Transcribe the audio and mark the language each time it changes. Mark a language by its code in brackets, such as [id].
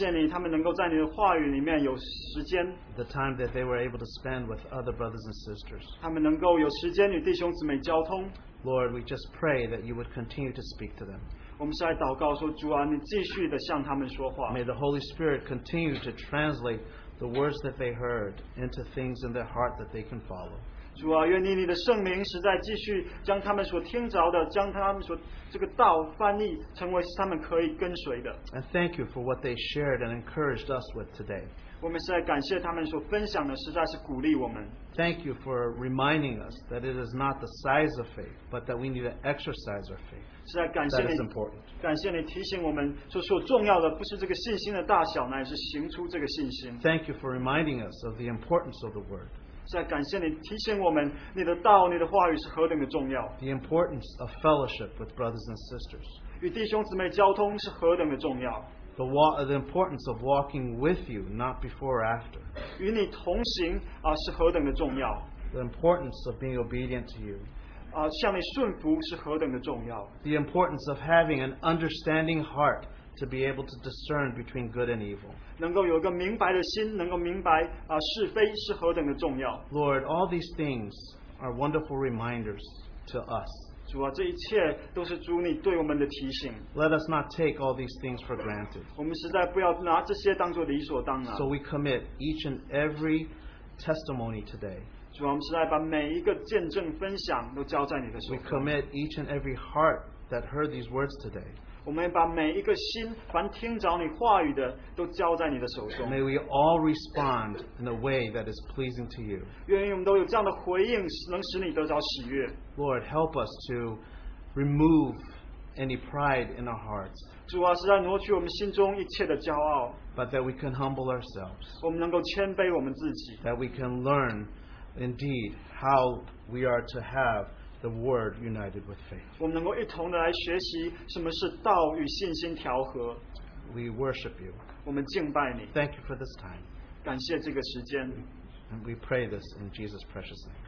[en] The time that they were able to spend with other brothers and sisters. Lord, we just pray that you would continue to speak to them. May the Holy Spirit continue to translate the words that they heard into things in their heart that they can follow. [zh] 主啊, 愿你你的圣灵实在继续将他们所听着的将他们所这个道翻译成为他们可以跟随的。 [en] And thank you for what they shared and encouraged us with today. [zh] 我们实在感谢他们所分享的实在是鼓励我们。 [en] Thank you for reminding us that it is not the size of faith, but that we need to exercise our faith. [zh] 实在感谢你, [en] that is important. [zh] 感谢你提醒我们所重要的不是这个信心的大小, 乃是行出这个信心。 [en] Thank you for reminding us of the importance of the word. [zh] 在感谢你提醒我们你的道你的话语是何等的重要。 [en] The importance of fellowship with brothers and sisters. [zh] 与弟兄姊妹交通是何等的重要。 [en] The importance of walking with you, not before or after. [zh] 与你同行, 是何等的重要。 [en] The importance of being obedient to you. [zh] 向你顺服是何等的重要。 [en] The importance of having an understanding heart to be able to discern between good and evil. [zh] 能够有一个明白的心, 能够明白, 是非是何等的重要。 [en] Lord, all these things are wonderful reminders to us. [zh] 主啊, 这一切都是主你对我们的提醒。 [en] Let us not take all these things for granted. [zh] 我们实在不要拿这些当作理所当然。 [en] So we commit each and every testimony today. [zh] 主啊, 我们实在把每一个见证分享都交在你的手中。 [en] We commit each and every heart that heard these words today. [zh] 我们把每一个心凡听着你话语的都交在你的手中。 [en] May we all respond in a way that is pleasing to you. [zh] 愿意我们都有这样的回应能使你得着喜悦。 [en] Lord, help us to remove any pride in our hearts. [zh] 主啊, 是让挪去我们心中一切的骄傲, [en] but that we can humble ourselves. [zh] 我们能够谦卑我们自己, [en] that we can learn indeed how we are to have the word united with faith. [zh] 我们能够一同的来学习什么是道与信心调和, [en] we worship you. [zh] 我们敬拜你, [en] thank you for this time. [zh] 感谢这个时间, [en] and we pray this in Jesus' precious name.